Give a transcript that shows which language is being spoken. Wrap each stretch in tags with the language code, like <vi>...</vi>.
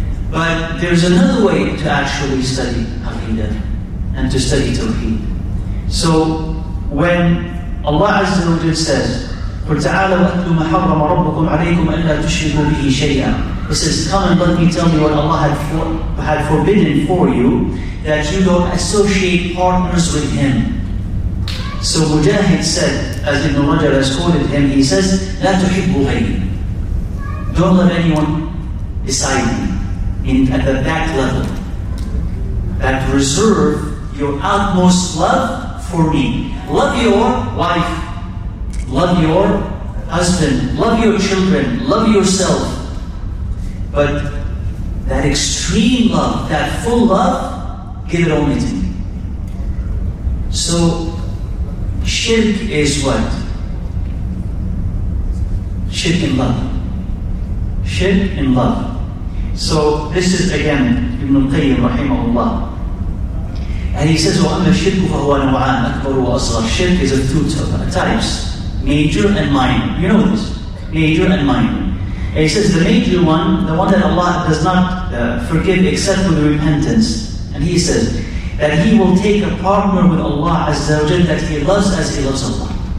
<en>But there's another way to actually study Aqeedah and to study Tawheed. So when</en> <ar>Allah Azza wa Jalla says, قُلْ تَعَالَ وَأَتْلُ مَا حَرَّمَ رَبُّكُمْ عَلَيْكُمْ أَلَّا تُشْرِكُوا بِهِ شَيْئًا.</ar> <en>He says, come and let me tell you what Allah had forbidden for you, that you don't associate partners with Him. So Mujahid said, as Ibn Rajab has quoted him, he says,</en> <ar>لَا تُحِبُّ غَيْرِي.</ar> <en>Don't let anyone beside me. At the back level. That reserve your utmost love for me. Love your wife. Love your husband. Love your children. Love yourself. But that extreme love, that full love, give it only to me. So, shirk is what? Shirk in love. Shirk in love. So, this is again Ibn Qayyim rahimahullah. And he says,</en> <ar>وَأَمَّا الشِّرْكُ فَهُوَ نَوْعَانَ أَكْبَرُ وَأَصْغَرُ.</ar> <en>Shirk is a two types, major and minor. You know this, major and minor. And he says the major one, the one that Allah does not forgive except for the repentance. And he says that he will take a partner with Allah Azza wa Jalla that he loves as he loves Allah.</en>